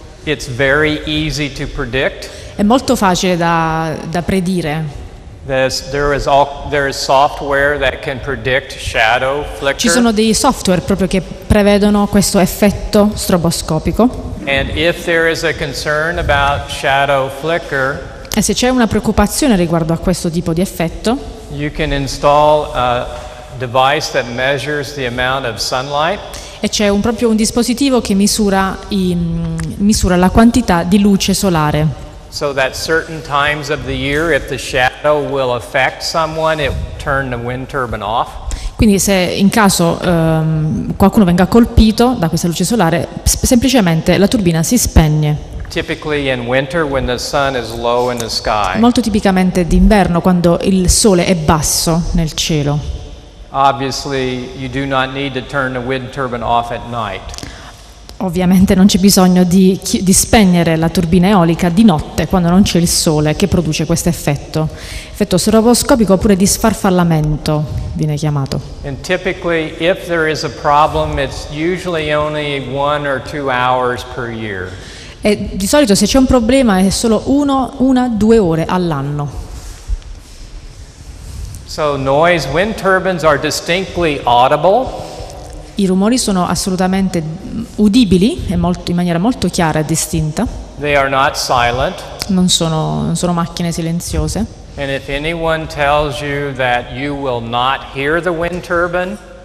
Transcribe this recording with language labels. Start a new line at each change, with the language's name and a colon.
English: It's very easy to predict.
Italian: È molto facile da predire.
English: There is software that can predict shadow flicker.
Italian: Ci sono dei software proprio che prevedono questo effetto stroboscopico.
English: And if there is a concern about shadow flicker,
Italian: e se c'è una preoccupazione riguardo a questo tipo di effetto,
English: you can install a device that measures the amount of sunlight.
Italian: E c'è un dispositivo che misura la quantità di luce solare.
English: So that certain times of the year, if the shadow will affect someone, it will turn the wind turbine off.
Italian: Quindi se in caso qualcuno venga colpito da questa luce solare, semplicemente la turbina si spegne.
English: Typically in winter when the sun is low in the sky.
Italian: Molto tipicamente d'inverno quando il sole è basso nel cielo.
English: Obviously, you do not need to turn the wind turbine off at night.
Italian: Ovviamente non c'è bisogno di spegnere la turbina eolica di notte quando non c'è il sole che produce questo effetto. Effetto stroboscopico oppure di sfarfallamento viene chiamato.
English: And typically, if there is a problem, it's usually only 1 or 2 hours per year.
Italian: E di solito se c'è un problema è solo due ore all'anno.
English: So noise, wind turbines are distinctly audible.
Italian: I rumori sono assolutamente udibili e in maniera molto chiara e distinta.
English: They are not silent.
Italian: Non sono macchine silenziose.
English: And if anyone tells you that you will not hear the wind turbine,